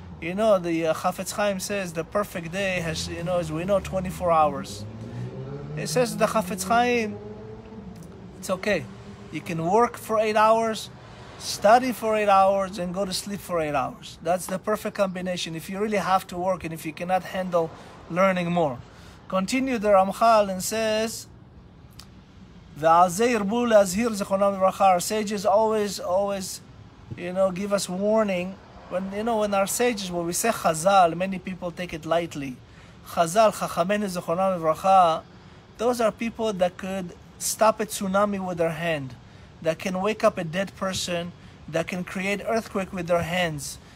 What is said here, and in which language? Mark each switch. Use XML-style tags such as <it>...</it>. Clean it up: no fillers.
<en>You know, the Chafetz Chaim says the perfect day has, you know, as we know, 24 hours. It says the Chafetz Chaim, it's okay. You can work for 8 hours, study for 8 hours, and go to sleep for 8 hours. That's the perfect combination if you really have to work and if you cannot handle learning more. Continue the Ramchal and says,</en> <he>ועל זה ירבו להזהיר זכרונם לברכה.</he> <en>Our sages always, you know, give us warning. When, you know, when our sages, when we say Chazal, many people take it lightly. Chazal, Chachamenu zechonam lebracha, those are people that could stop a tsunami with their hand, that can wake up a dead person, that can create earthquake with their hands.</en>